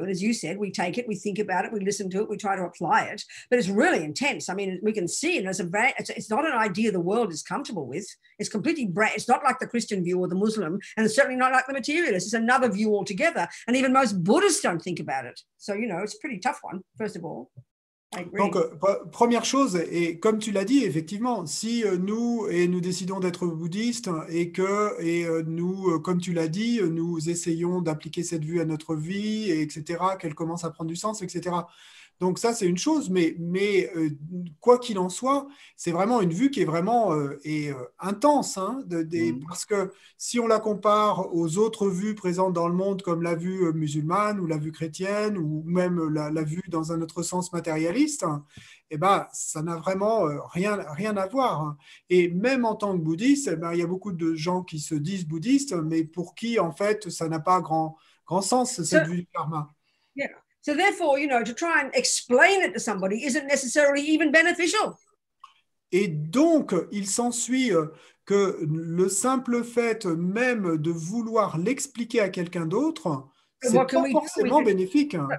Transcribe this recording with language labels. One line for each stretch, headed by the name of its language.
English: And as you said, we take it, we think about it, we listen to it, we try to apply it. But it's really intense. I mean, we can see it as a very, it's not an idea the world is comfortable with. It's completely, it's not like the Christian view or the Muslim, and it's certainly not like the materialist. It's another view altogether. And even most Buddhists don't think about it. So, you know, it's a pretty tough one, first of all.
French: Donc, première chose, et comme tu l'as dit, effectivement, si nous, et nous décidons d'être bouddhistes et que et nous, comme tu l'as dit, nous essayons d'appliquer cette vue à notre vie, et etc., qu'elle commence à prendre du sens, etc. Donc ça, c'est une chose, mais quoi qu'il en soit, c'est vraiment une vue qui est vraiment intense. Hein, parce que si on la compare aux autres vues présentes dans le monde, comme la vue musulmane ou la vue chrétienne, ou même la vue dans un autre sens matérialiste, hein, eh ben, ça n'a vraiment rien à voir. Hein. Et même en tant que bouddhiste, eh ben, il y a beaucoup de gens qui se disent bouddhistes, mais pour qui, en fait, ça n'a pas grand sens, cette vue du karma.
English: So therefore, you know, to try and explain it to somebody isn't necessarily even beneficial.
French: Et donc, il s'ensuit que le simple fait même de vouloir l'expliquer à quelqu'un d'autre, c'est pas forcément bénéfique.